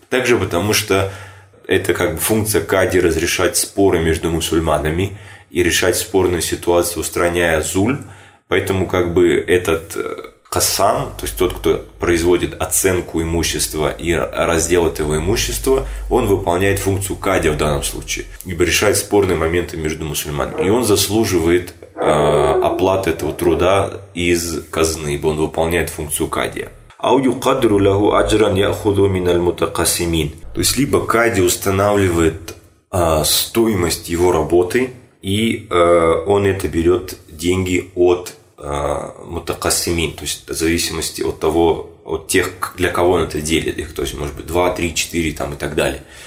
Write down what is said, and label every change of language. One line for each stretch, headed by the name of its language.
Russian: Также потому что это как бы функция кади разрешать споры между мусульманами и решать спорную ситуацию, устраняя зуль, поэтому как бы этот касам, то есть тот, кто производит оценку имущества и раздел этого имущества, он выполняет функцию кадия в данном случае, ибо решает спорные моменты между мусульманами. И он заслуживает оплаты этого труда из казны, ибо он выполняет функцию кадия.
Arabic: أو يقدر له أجرا يأخذ من المتقسمين.
Russian: То есть либо кади устанавливает стоимость его работы, и он это берет деньги от мутакассимин, то есть в зависимости от того, от тех, для кого он это делит, их, то есть может быть 2, 3, 4 там, и так далее.